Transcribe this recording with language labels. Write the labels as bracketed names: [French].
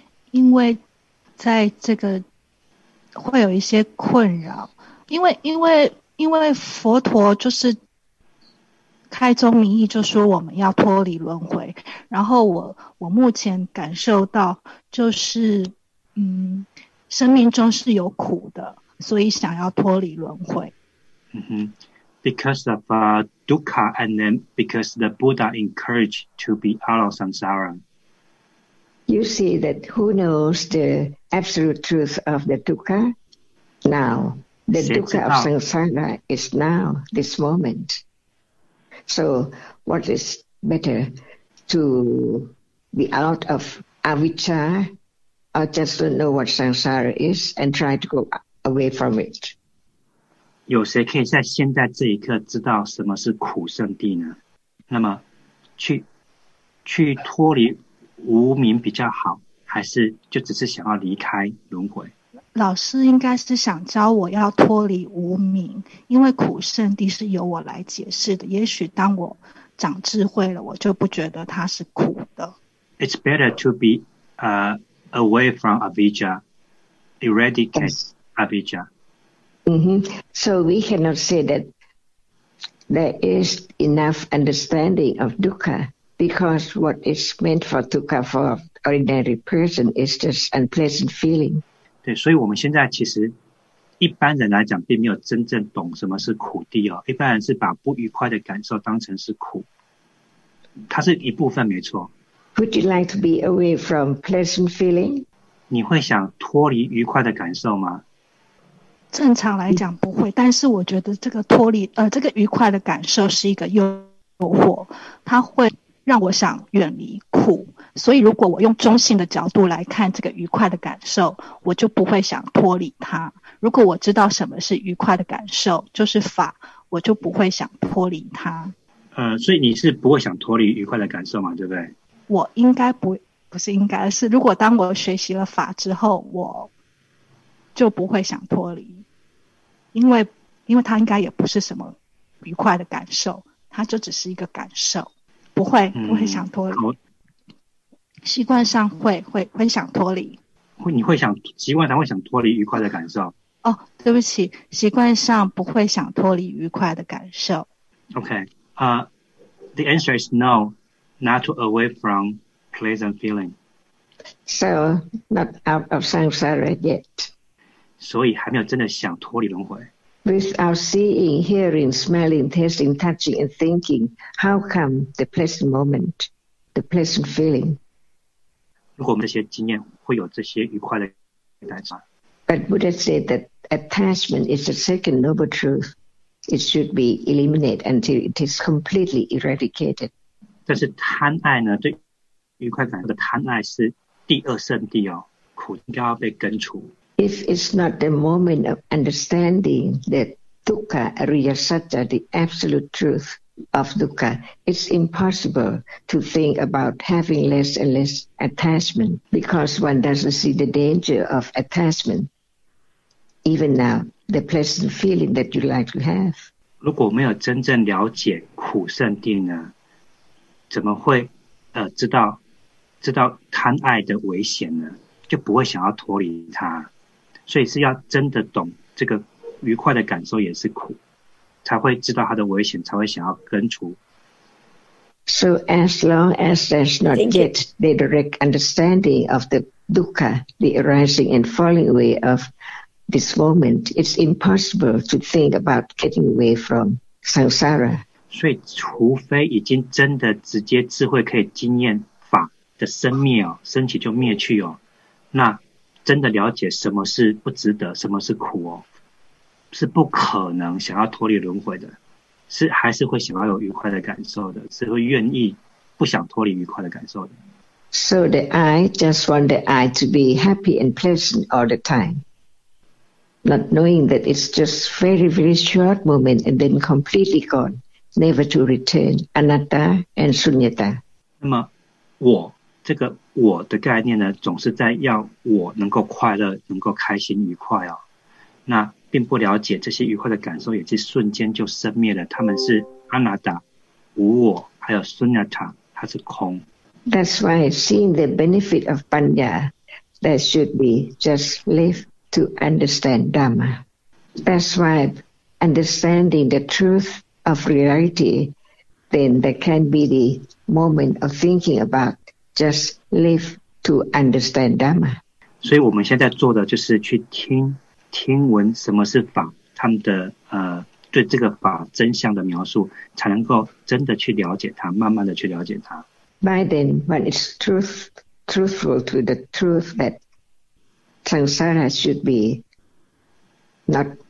[Chinese] 因为在这个会有一些困扰，因为佛陀就是开宗明义就说我们要脱离轮回，然后我目前感受到就是生命中是有苦的，所以想要脱离轮回。嗯哼。 [English] Because of dukkha, and then because the Buddha encouraged to be out of samsara. You see that who knows the absolute truth of the dukkha? Now, The dukkha of samsara is now, this moment. So what is better, to be out of avicca or just to know what samsara is and try to go away from it? [Chinese] 有谁可以在现在这一刻知道什么是苦圣地呢？那么去脱离无明比较好，还是就只是想要离开轮回？老师应该是想教我要脱离无明，因为苦圣地是由我来解释的，也许当我长智慧了，我就不觉得它是苦的。 [English] It's better to be away from avijja, eradicate avijja. So we cannot say that there is enough understanding of dukkha, because what is meant for dukkha for ordinary person is just unpleasant feeling. [Chinese] 对，所以我们现在其实一般人来讲并没有真正懂什么是苦地哦。一般人是把不愉快的感受当成是苦，它是一部分没错。 [English] Would you like to be away from pleasant feeling? [Chinese] 你会想脱离愉快的感受吗？正常来讲不会，但是我觉得这个脱离这个愉快的感受是一个诱惑，它会让我想远离苦，所以如果我用中性的角度来看这个愉快的感受，我就不会想脱离它。如果我知道什么是愉快的感受，就是法，我就不会想脱离它。所以你是不会想脱离愉快的感受嘛，对不对？我应该不是应该，是如果当我学习了法之后，我就不会想脱离，因为它应该也不是什么愉快的感受，它就只是一个感受，不会想脱离。习惯上会想脱离，习惯上会想脱离愉快的感受。哦，对不起，习惯上不会想脱离愉快的感受。 [English] OK, the answer is no, not to away from pleasant feeling. So not out of samsara yet. [Chinese] 所以还没有真的想脱离轮回。 [English] Without seeing, hearing, smelling, tasting, touching, and thinking, how come the pleasant moment, the pleasant feeling? [Chinese] 如果我们这些经验会有这些愉快的感受。 [English] But Buddha said that attachment is the second noble truth. It should be eliminated until it is completely eradicated. [Chinese] 但是贪爱呢，对愉快感受的贪爱是第二圣地哦，苦应该要被根除。 [English] If it's not the moment of understanding that dukkha, ariyasatta, the absolute truth of dukkha, it's impossible to think about having less and less attachment, because one doesn't see the danger of attachment. Even now, the pleasant feeling that you like to have. [Chinese] 如果没有真正了解苦圣地呢，怎么会知道贪爱的危险呢？就不会想要脱离它。所以是要真的懂这个愉快的感受也是苦，才会知道它的危险，才会想要根除。 [English] So as long as there's not yet the direct understanding of the dukkha, the arising and falling away of this moment, it's impossible to think about getting away from samsara. [Chinese] 所以除非已经真的直接智慧可以经验法的生灭哦，升起就灭去哦，那真的了解什么是不值得，什么是苦哦，是不可能想要脱离轮回的，是还是会想要有愉快的感受的，是会愿意不想脱离愉快的感受的。 [English] So the I just want the I to be happy and pleasant all the time, not knowing that it's just very very short moment and then completely gone, never to return, anatta and sunyata. [Chinese] 那么我这个我的概念呢，总是在要我能够快乐，能够开心愉快哦。那并不了解这些愉快的感受也是瞬间就生灭了，他们是阿那达无我，还有苏那塔，它是空。 [English] That's why seeing the benefit of banya, that should be just live to understand dhamma. That's why understanding the truth of reality, then there can be the moment of thinking aboutJust live to understand Dhamma. [Chinese] 所以我们现在做的就是去听闻什么是法，他们的对这个法真相的描述，才能够真的去了解它，慢慢的去了解它。 [English] By then, when it's truthful to the truth that samsara should be not